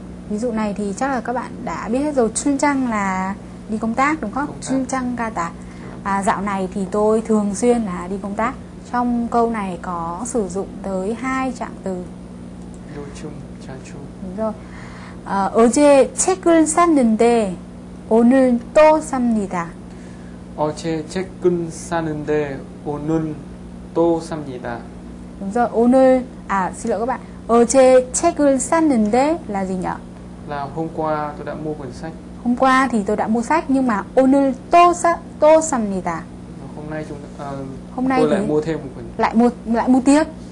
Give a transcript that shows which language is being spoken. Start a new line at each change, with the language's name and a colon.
Vietnamese: ví dụ này thì chắc là các bạn đã biết hết rồi. 출장 là đi công tác đúng không?
Korean: 출장 가다.
Vietnamese: Dạo này thì tôi thường xuyên là đi công tác. Trong câu này có sử dụng tới hai trạng từ.
Korean: 요즘 자주. 어제 책을 샀는데 오늘 또 삽니다. 어제 책을 샀는데 오늘 또 삽니다. 그래서 오늘
Vietnamese: xin lỗi các bạn.
Korean: 어제 책을 샀는데
Vietnamese: là gì nhỉ? Là hôm qua tôi đã mua quyển sách. Hôm qua thì tôi đã mua sách nhưng mà
Korean: 오늘 또 삽니다.
Vietnamese: Hôm nay chúng hôm nay tôi lại mua thêm một quyển. Lại mua tiếp.